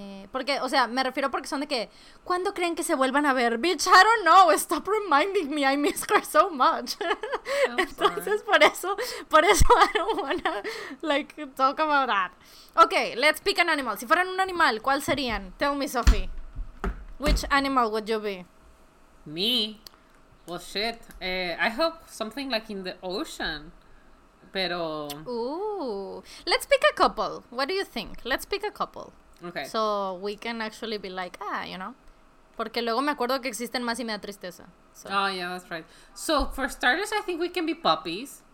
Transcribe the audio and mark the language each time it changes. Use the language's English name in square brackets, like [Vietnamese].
[Spanish] Porque, o sea, me refiero porque son de que, ¿cuándo creen que se vuelvan a ver? [English] Bitch, I don't know. Stop reminding me. I miss her so much. [Spanish] Entonces, por eso [English] I don't wanna, like, talk about that. Okay, let's pick an animal. [Spanish] Si fueran un animal, ¿cuál serían? [English] Tell me, Sophie. Which animal would you be? Me? Well, shit. I hope something like in the ocean. Pero... Let's pick a couple. What do you think? Let's pick a couple. Okay. So we can actually be like, you know. [Spanish] Porque luego me acuerdo que existen más y me da tristeza. [English] So. Oh, yeah, that's right. So for starters, I think we can be puppies.